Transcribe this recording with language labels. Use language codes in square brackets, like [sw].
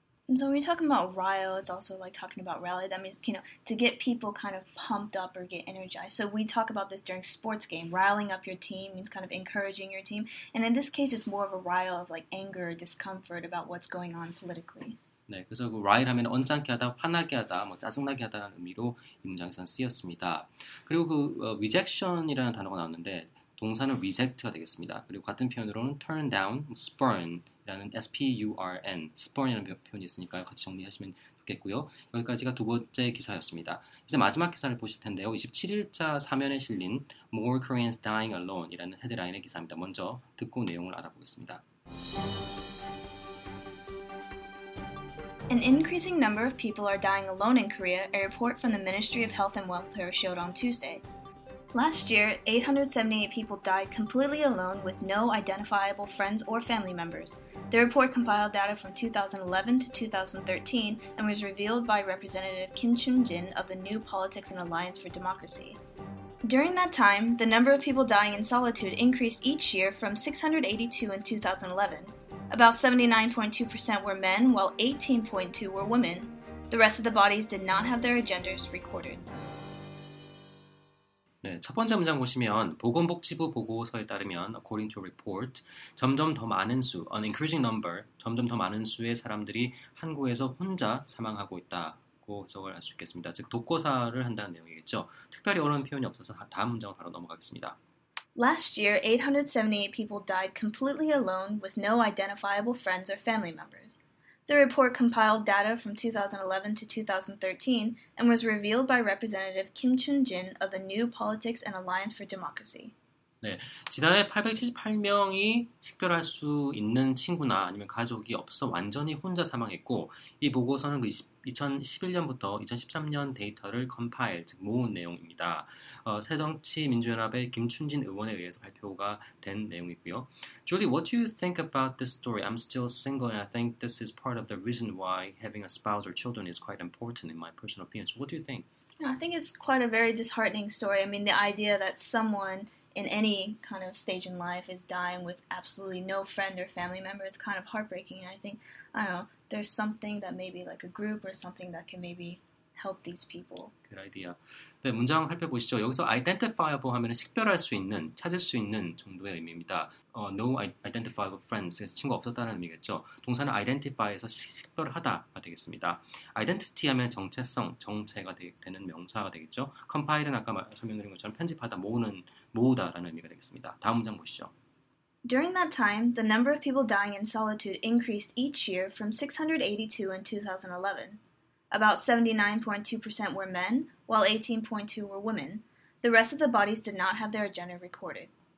[en] And so when you're talking about rile, it's also like talking about rally. That means, you know, to get people kind of pumped up or get energized. So we talk about this during sports game. Riling up your team means kind of encouraging your team. And in this case, it's more of a rile of like anger, discomfort about what's going on politically. [ko] 네, 그래서 그 rile 하면 언짢게 하다, 화나게 하다, 뭐 짜증나게 하다라는 의미로 이 문장에서는 쓰였습니다. 그리고 그 rejection이라는 단어가 나왔는데 동사는 reject가 되겠습니다. 그리고 같은 표현으로는 turn down, spurn. 라는 S-P-U-R-N, spurn이라는 표현이 있으니까요. 같이 정리하시면 좋겠고요. 여기까지가 두 번째 기사였습니다. 이제 마지막 기사를 보실 텐데요. 27일자 사면에 실린 [en] More Koreans Dying Alone [ko] 이라는 헤드라인의 기사입니다. 먼저 듣고 내용을 알아보겠습니다. [en] An increasing number of people are dying alone in Korea, a report from the Ministry of Health and Welfare showed on Tuesday. Last year, 878 people died completely alone with no identifiable friends or family members. The report compiled data from 2011 to 2013 and was revealed by Representative Kim Chun-jin of the New Politics and Alliance for Democracy. During that time, the number of people dying in solitude increased each year from 682 in 2011. About 79.2% were men, while 18.2% were women. The rest of the bodies did not have their genders recorded. [ko] 네, 첫 번째 문장 보시면 보건복지부 보고서에 따르면 [en] according to a report [ko] 점점 더 많은 수 [en] an increasing number [ko] 점점 더 많은 수의 사람들이 한국에서 혼자 사망하고 있다고 해석을 할 수 있겠습니다. 즉 독거사를 한다는 내용이겠죠. 특별히 어려운 표현이 없어서 다음 문장으로 바로 넘어가겠습니다. Last year 878 people died completely alone with no identifiable friends or family members. The report compiled data from 2011 to 2013 and was revealed by Representative Kim Chun-jin of the New Politics and Alliance for Democracy. 네, 지난해 878명이 식별할 수 있는 친구나 아니면 가족이 없어 완전히 혼자 사망했고 이 보고서는 그 2011년부터 2013년 데이터를 컴파일, 즉 모은 내용입니다. 새정치민주연합의 김춘진 의원에 의해서 발표가 된 내용이고요. [en] Julie, what do you think about this story? I'm still single and I think this is part of the reason why having a spouse or children is quite important in my personal opinion. So what do you think? Yeah, I think it's quite a very disheartening story. I mean, the idea that someone in any kind of stage in life is dying with absolutely no friend or family member. It's kind of heartbreaking. And I think, I don't know, there's something that maybe like a group or something that can maybe help these people. Good idea. [ko] 네, 문장 살펴보시죠. 여기서 identifiable 하면 식별할 수 있는, 찾을 수 있는 정도의 의미입니다. [en] No identifiable friends, [ko] 그래서 친구 없었다는 의미겠죠. 동사는 identify에서 식별하다가 되겠습니다. Identity 하면 정체성, 정체가 되는 명사가 되겠죠. Compile은 아까 설명드린 것처럼 편집하다, 모으는, 모으다라는 의미가 되겠습니다. 다음 문장 보시죠. [en] During that time, the number of people dying in solitude increased each year from 682 in 2011. About 79.2% were men, while 18.2% were women. The rest of the bodies did not have their gender recorded.